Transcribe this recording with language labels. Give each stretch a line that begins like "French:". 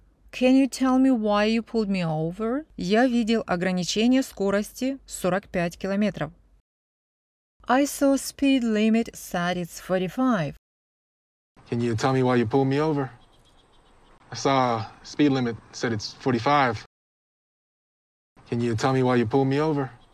English: Can you tell me why you pulled me over?
Russian: Я видел ограничение скорости 45 километров.
English: I saw a speed limit said it's 45. Can you tell me why you pulled me over? I saw a speed limit said it's 45. Can you tell me why you pulled me over?